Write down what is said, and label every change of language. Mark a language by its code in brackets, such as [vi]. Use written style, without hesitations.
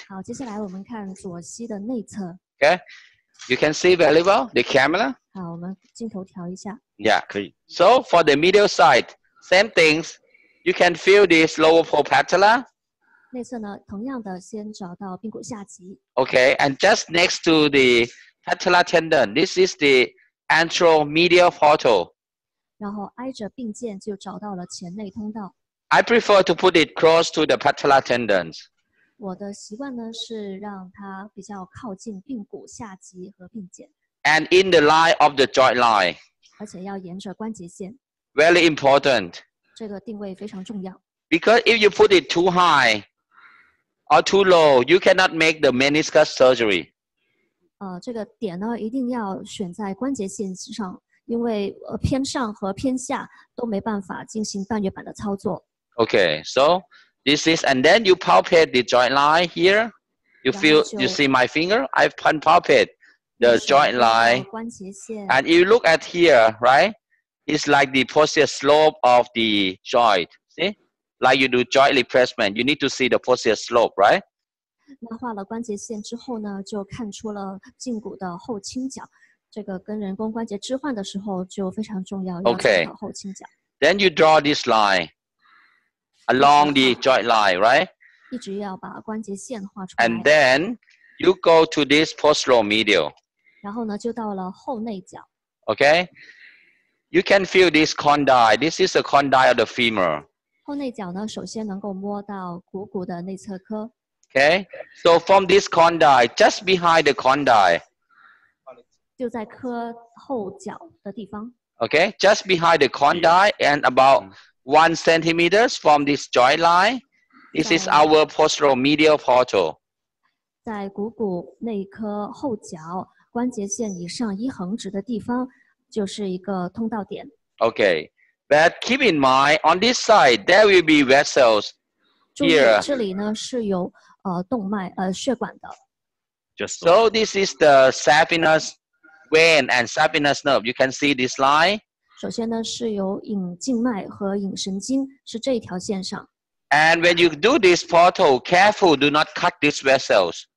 [zh] 好，接下来我们看左膝的内侧。 [en] Okay, you can see very well the camera. [zh] 好，我们镜头调一下。 [en] Yeah, [zh] 可以。 [en] So for the medial side, same things. You can feel this lower pole patella. [zh] 内侧呢，同样的，先找到髌骨下棘。 [en] Okay, and just next to the patella tendon. This is the anteromedial portal. [zh] 然后挨着髌腱就找到了前内通道。 [en] I prefer to put it close to the patella tendons. [zh] 我的习惯呢是让它比较靠近髌骨下棘和髌腱。 [en] And in the line of the joint line. [zh] 而且要沿着关节线。 [en] Very important. [zh] 这个定位非常重要。 [en] Because if you put it too high or too low, you cannot make the meniscus surgery. [zh] 这个点呢一定要选在关节线上，因为偏上和偏下都没办法进行半月板的操作。 [en] Okay, so this is, and then you palpate the joint line here. You feel, you see my finger? I've palpated the joint line. [zh] 关节线。 [en] And you look at here, right? It's like the posterior slope of the joint. See? Like you do joint replacement, you need to see the posterior slope, right? [zh] 那画了关节线之后呢，就看出了胫骨的后倾角，这个跟人工关节置换的时候就非常重要。 [en] Okay. [zh] 要看到后倾角。 [en] Then you draw this line along the joint line, right? [zh] 一直要把关节线画出来。 [en] And then you go to this posterior medial. [zh] 然后呢，就到了后内角。 [en] Okay. You can feel this condyle. This is the condyle of the femur. [zh] 后内角呢，首先能够摸到股骨的内侧髁。 [en] Okay, so from this condyle, just behind the condyle, [zh] 就在髁后脚的地方。 [en] Okay, just behind the condyle and about 1 centimeters from this joint line, this is our posterior medial portal. [zh] 在股骨内髁后脚关节线以上一横指的地方，就是一个通道点。 [en] Okay, but keep in mind, on this side there will be vessels. [zh] 注意，这里呢是有动脉血管的。 [en] Just so this is the saphenous vein and saphenous nerve. You can see this line. [zh] 首先呢是有隐静脉和隐神经，是这一条线上。 [en] And when you do this portal, careful, do not cut these vessels.